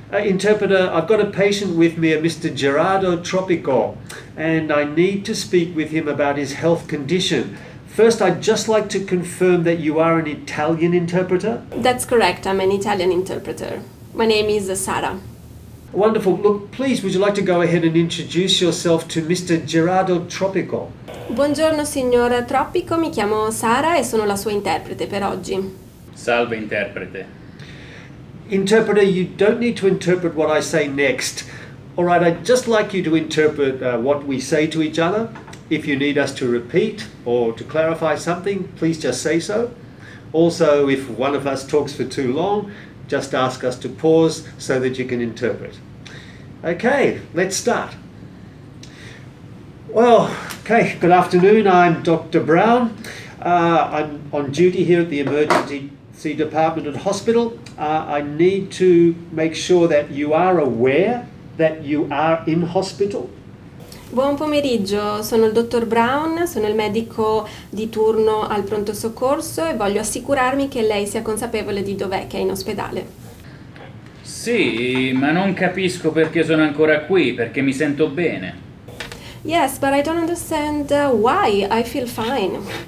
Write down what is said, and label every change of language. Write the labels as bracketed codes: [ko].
[en] Interpreter, I've got a patient with me, a Mr. Gerardo Tropico, and I need to speak with him about his health condition. First, I'd just like to confirm that you are an Italian interpreter? That's correct. I'm an Italian interpreter. My name is Sara. Wonderful. Look, please, would you like to go ahead and introduce yourself to Mr. Gerardo Tropico? [it] Buongiorno, signor Tropico. Mi chiamo Sara e sono la sua interprete per oggi. Salve, interprete. [en] Interpreter, you don't need to interpret what I say next. All right, I'd just like you to interpret what we say to each other. If you need us to repeat or to clarify something, please just say so. Also, if one of us talks for too long, just ask us to pause so that you can interpret. Okay, let's start. Well, okay, good afternoon. I'm Dr. Brown. I'm on duty here at the emergency department at hospital. I need to make sure that you are aware that you are in hospital. [it] Buon pomeriggio, sono il dottor Brown, sono il medico di turno al pronto soccorso e voglio assicurarmi che lei sia consapevole di dov'è che è in ospedale. Sì, ma non capisco perché sono ancora qui, perché mi sento bene. [en] Yes, but I don't understand why I feel fine.